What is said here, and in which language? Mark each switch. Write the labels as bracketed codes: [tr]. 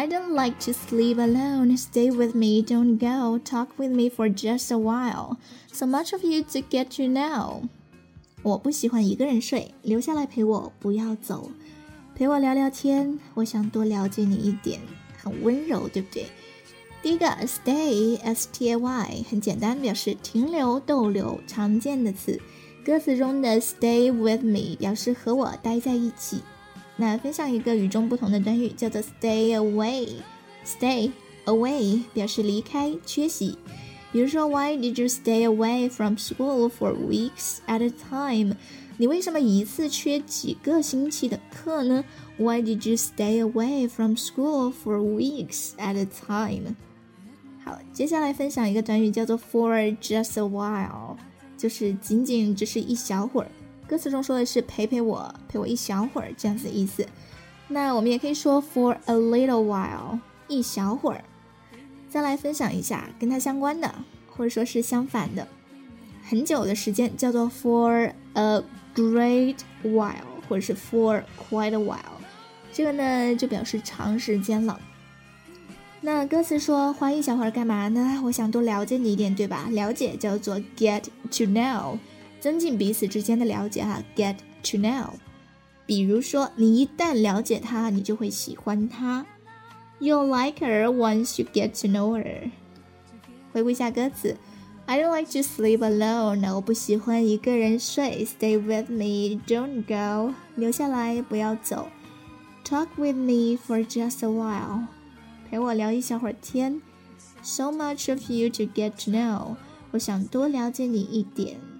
[en] Like to sleep alone, stay with me, don't go, talk with me for just a while, so much of you to get to know. [zh] 我不喜欢一个人睡，留下来陪我，不要走，陪我聊聊天，我想多了解你一点，很温柔，对不对？第一个 stay, S-T-A-Y, 很简单，表示停留、逗留，常见的词。歌词中的 stay with me 表示和我待在一起。那分享一个与众不同的短语，叫做 stay away。 stay away 表示离开、缺席。比如说 [en] why did you stay away from school for weeks at a time? [zh] 你为什么一次缺几个星期的课呢？ [en] why did you stay away from school for weeks at a time? [zh] 好，接下来分享一个短语，叫做 for just a while， 就是仅仅只是一小会儿。歌词中说的是陪陪我，陪我一小会儿，这样子的意思。那我们也可以说 for a little while， 一小会儿。再来分享一下跟它相关的或者说是相反的。很久的时间，叫做 for a great while， 或者是 for quite a while， 这个呢就表示长时间了。那歌词说花一小会儿干嘛呢，我想多了解你一点，对吧？了解叫做 get to know， 增进彼此之间的了解啊， get to know。比如说你一旦了解他，你就会喜欢他， [en] You'll like her once you get to know her。回顾一下歌词，I don't like to sleep alone， [zh] 我不喜欢一个人睡。 [en] Stay with me, don't go， [zh] 留下来不要走。 [en] Talk with me for just a while， [zh] 陪我聊一小会儿天。 [en] So much of you to get to know， [zh] 我想多了解你一点。